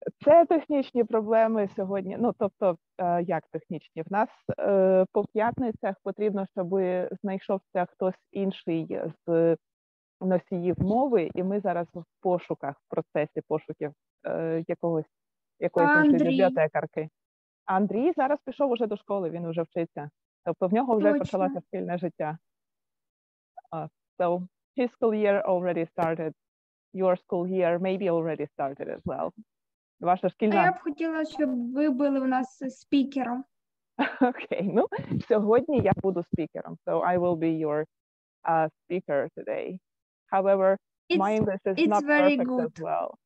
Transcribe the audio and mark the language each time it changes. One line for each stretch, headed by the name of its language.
Ukrainian: Це технічні проблеми сьогодні. Ну, тобто, як технічні? В нас по п'ятницях потрібно, щоб знайшовся хтось інший з носіїв мови, і ми зараз в пошуках, в процесі пошуків якоїсь іншої бібліотекарки. Андрій зараз пішов уже до школи, він уже вчиться. Тобто в нього вже почалося шкільне життя.
English: So, his school year already started. Your school year maybe already started as well.
Ukrainian: Ваша шкільна... А я б хотіла, щоб ви були у нас спікером. Окей, ну, сьогодні я буду спікером.
English: So, I will be your speaker today. However, my English is not perfect as well.